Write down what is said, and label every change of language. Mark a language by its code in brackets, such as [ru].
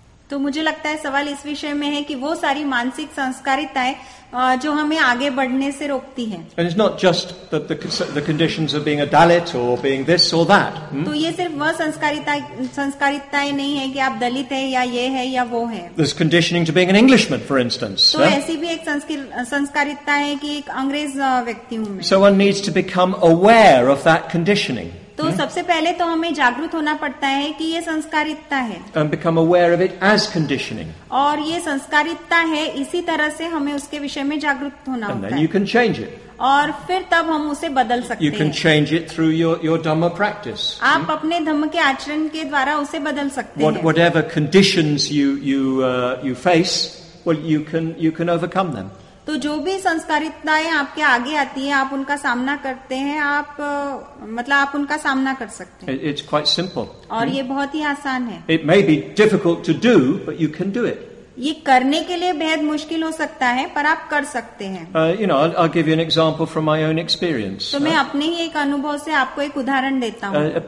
[hi] तो मुझे लगता है सवाल इस विषय में है कि वो सारी मानसिक संस्कारिताएं जो हमें आगे बढ़ने से रोकती हैं। [en] And it's not just that the conditions of being a Dalit or being this or that. [hi] तो ये सिर्फ वह संस्कारिताएं नहीं है कि आप दलित हैं या ये हैं या वो हैं। [en] There's conditioning to being an Englishman, for instance. [hi] तो ऐसी भी एक संस्कारिता है कि एक अंग्रेज व्यक्ति हूँ मैं। [en] So one needs to become aware of that conditioning. [hi] तो सबसे पहले तो हमें जागरूक होना पड़ता है कि ये संस्कारिता है। [en] And become aware of it as conditioning. [hi] और ये संस्कारिता है इसी तरह से हमें उसके विषय में जागरूक होना [en] And [hi] होता [en] then you [hi] है। [en] can change it. [hi] और फिर तब हम उसे बदल सकते हैं। [en] You can change it through your dhamma practice. [hi] आप अपने धम्म के आचरण के द्वारा उसे बदल सकते हैं। [en] Whatever conditions you face, well, you can overcome them. [hi] तो जो भी संस्कारिताएं आपके आगे आती हैं आप उनका सामना करते हैं आप मतलब आप उनका सामना कर सकते हैं। [en] It's quite simple. [hi] और ये बहुत ही आसान है। [en] It may be difficult to do, but you can do it. [hi] ये करने के लिए बेहद मुश्किल हो सकता है पर आप कर सकते हैं। [en] You know, I'll give you an example from my own experience. [hi] तो मैं अपने ही एक अनुभव से आपको एक उदाहरण देता हूँ।